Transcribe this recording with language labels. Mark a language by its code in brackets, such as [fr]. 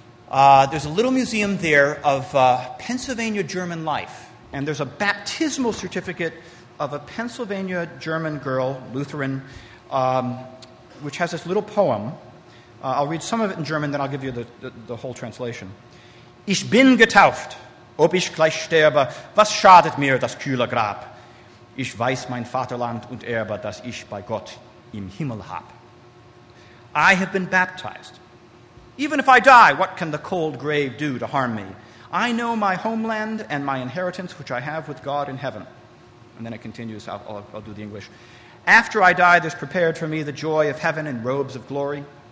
[en] There's a little museum there of Pennsylvania German life, and there's a baptismal certificate of a Pennsylvania German girl, Lutheran, which has this little poem. I'll read some of it in German, then I'll give you the whole translation. [de] Ich bin getauft, ob ich gleich sterbe, was schadet mir das kühle Grab? Ich weiß mein Vaterland und Erbe, dass ich bei Gott im Himmel hab. [en] I have been baptized. Even if I die, what can the cold grave do to harm me? I know my homeland and my inheritance, which I have with God in heaven. And then it continues, I'll do the English. After I die, there's prepared for me the joy of heaven and robes of glory.